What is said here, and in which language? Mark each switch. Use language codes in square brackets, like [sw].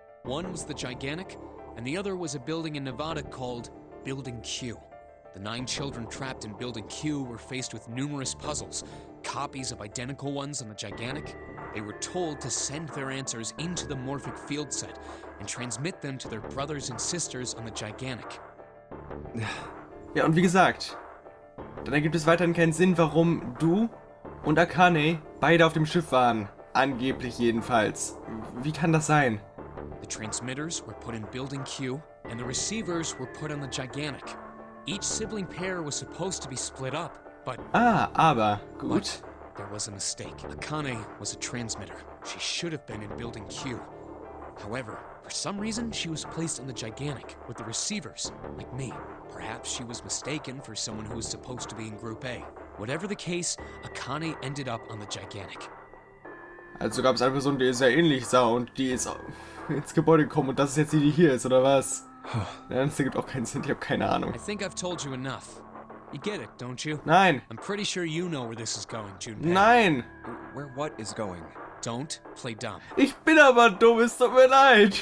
[en] One was the Gigantic, and the other was a building in Nevada called Building Q. The 9 children trapped in Building Q were faced with numerous puzzles. Copies of identical ones on the Gigantic, they were told to send their answers into the morphic field set and transmit them to their brothers and sisters on the Gigantic. [de] Ja, und wie gesagt, dann ergibt es weiterhin keinen Sinn, warum du und Akane beide auf dem Schiff waren. Angeblich jedenfalls. Wie kann das sein? [en] The transmitters were put in Building Q and the receivers were put on the Gigantic. Each sibling pair was supposed to be split up. But, [de] ah, aber, gut. [en] But there was a mistake. Akane was a transmitter. She should have been in Building Q. However, for some reason, she was placed on the Gigantic with the receivers, like me. Perhaps she was mistaken for someone who was supposed to be in Group A. Whatever the case, Akane ended up on the Gigantic. [de] Also gab es eine Person, die sehr ähnlich sah und die ist ins Gebäude gekommen und das ist jetzt die, die hier ist, oder was? Das ergibt auch keinen Sinn, ich habe keine Ahnung. [en] I think I've told you enough. You get it, don't you? [de] Nein. [en] I'm pretty sure you know where this is going, Junpei. [de] Nein. [en] Where what is going? Don't play dumb. [de] Ich bin aber dumm, es tut mir leid.